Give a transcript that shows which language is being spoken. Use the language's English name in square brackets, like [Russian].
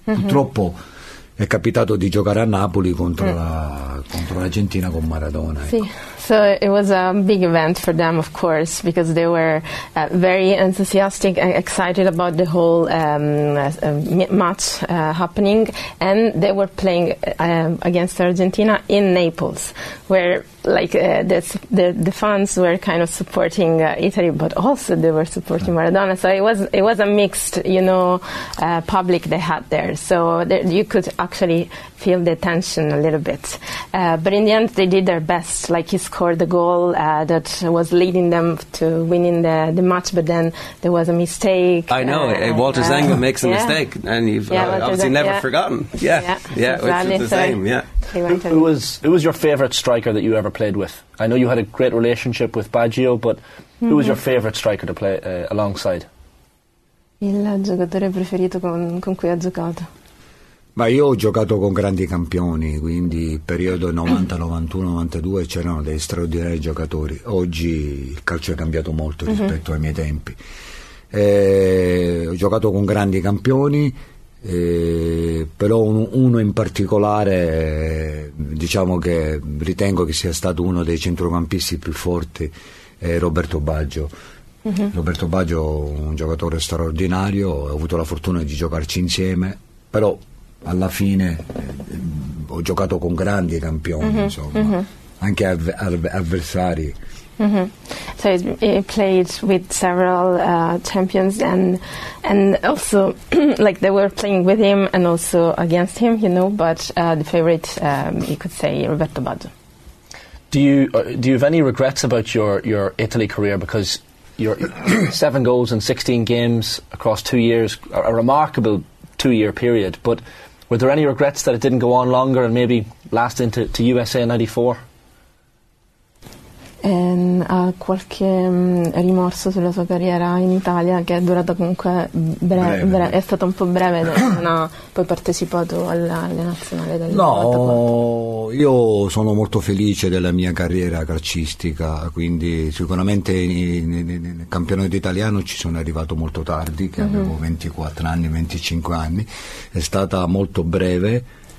[Italian] Purtroppo è capitato di giocare a Napoli contro l'Argentina con Maradona. [English] Sì, so it was a big event for them, of course, because they were very enthusiastic and excited about the whole match happening, and they were playing against Argentina in Naples, where like the fans were kind of supporting Italy, but also they were supporting Maradona. So it was a mixed, you know, public they had there. So you could actually feel the tension a little bit. But in the end, they did their best. Like he scored the goal that was leading them to winning the match. But then there was a mistake. I know. Walter Zenga makes a mistake, and you've obviously never forgotten. Who was your favorite striker that you ever played with? I know you had a great relationship with Baggio, but who was your favorite striker to play alongside? [Italian] Il giocatore preferito con cui ha giocato. Ma io ho giocato con grandi campioni, quindi periodo 90, 91, 92 c'erano dei straordinari giocatori. Oggi il calcio è cambiato molto rispetto ai miei tempi. Ho giocato con grandi campioni, però uno in particolare, diciamo che ritengo che sia stato uno dei centrocampisti più forti, è Roberto Baggio. Roberto Baggio è un giocatore straordinario, ho avuto la fortuna di giocarci insieme, però alla fine ho giocato con grandi campioni, anche avversari. [English] So he played with several champions and also like they were playing with him and also against him, you know, but the favorite you could say Roberto Baggio. Do you have any regrets about your Italy career, because your 7 goals in 16 games across 2 years, a remarkable 2 year period, but were there any regrets that it didn't go on longer and maybe last into USA 94? [Italian] Ha qualche rimorso sulla sua carriera in Italia, che è durata comunque breve. È stata un po' breve, non ha poi partecipato alle nazionali del 94. No, io sono molto felice della mia carriera calcistica, quindi sicuramente nel campionato italiano ci sono arrivato molto tardi, che avevo 24 anni, 25 anni, è stata molto breve.